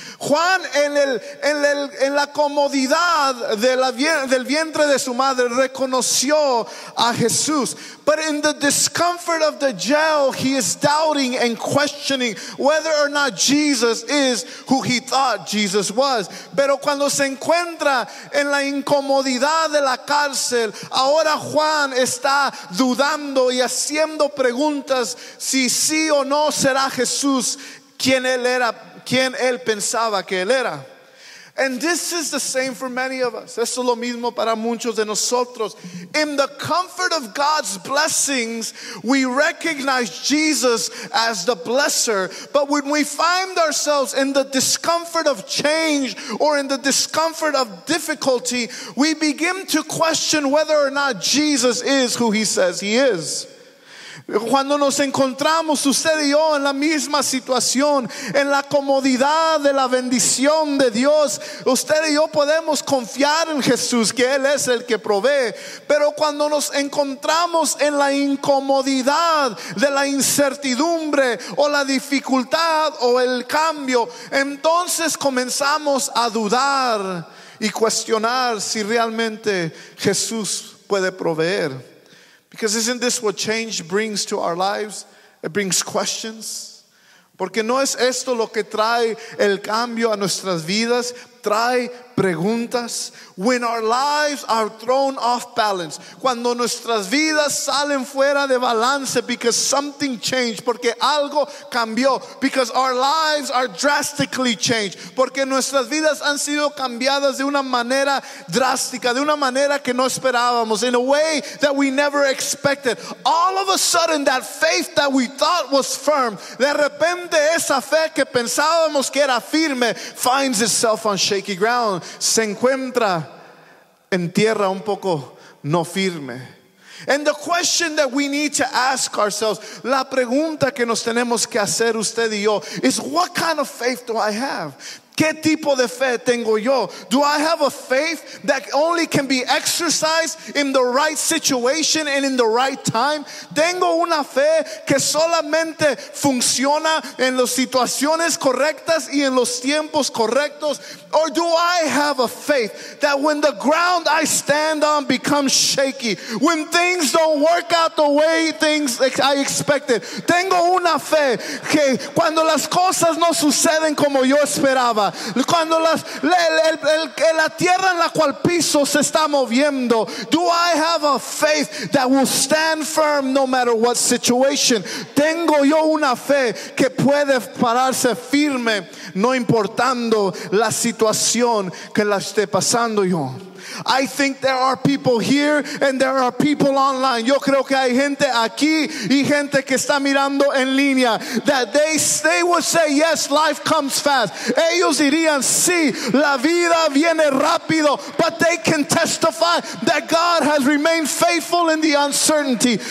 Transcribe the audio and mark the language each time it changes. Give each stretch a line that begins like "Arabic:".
Spanish: Juan, en la comodidad del vientre de su madre, reconoció a Jesús.
English: But in the discomfort of the jail, he is doubting and questioning whether or not Jesus is who he thought Jesus was.
Spanish: Pero cuando se encuentra en la incomodidad de la cárcel, ahora Juan está dudando y haciendo preguntas si sí o no será Jesús quien él era, quien él pensaba que él era.
English: And this is the same for many of us.
Spanish: Esto es lo mismo para muchos de nosotros.
English: In the comfort of God's blessings, we recognize Jesus as the blesser. But when we find ourselves in the discomfort of change or in the discomfort of difficulty, we begin to question whether or not Jesus is who he says he is.
Spanish: Cuando nos encontramos, usted y yo, en la misma situación, en la comodidad de la bendición de Dios, usted y yo podemos confiar en Jesús, que Él es el que provee. Pero cuando nos encontramos en la incomodidad de la incertidumbre o la dificultad o el cambio, entonces comenzamos a dudar y cuestionar si realmente Jesús puede proveer.
English: Because isn't this what change brings to our lives? It brings questions.
Spanish: Porque no es esto lo que trae el cambio a nuestras vidas, trae preguntas.
English: When our lives are thrown off balance,
Spanish: cuando nuestras vidas salen fuera de balance,
English: because something changed,
Spanish: porque algo cambió,
English: because our lives are drastically changed,
Spanish: porque nuestras vidas han sido cambiadas de una manera drástica, de una manera que no esperábamos,
English: in a way that we never expected. All of a sudden, that faith that we thought was firm,
Spanish: de repente esa fe que pensábamos que era firme,
English: finds itself on shaky ground.
Spanish: Se encuentra en tierra un poco no firme.
English: And the question that we need to ask ourselves,
Spanish: la pregunta que nos tenemos que hacer usted y yo,
English: is what kind of faith do I have?
Spanish: ¿Qué tipo de fe tengo yo?
English: Do I have a faith that only can be exercised in the right situation and in the right time?
Spanish: ¿Tengo una fe que solamente funciona en las situaciones correctas y en los tiempos correctos?
English: Or do I have a faith that when the ground I stand on becomes shaky, when things don't work out the way things I expected?
Spanish: ¿Tengo una fe que cuando las cosas no suceden como yo esperaba, cuando las, la tierra en la cual piso se está moviendo.
English: Do I have a faith that will stand firm no matter what situation?
Spanish: Tengo yo una fe que puede pararse firme no importando la situación que la esté pasando yo.
English: I think there are people here and there are people online.
Spanish: Yo creo que hay gente aquí y gente que está mirando en línea.
English: That they would say, yes, life comes fast.
Spanish: Ellos dirían, sí, la vida viene rápido.
English: But they can testify that God has remained faithful in the uncertainty.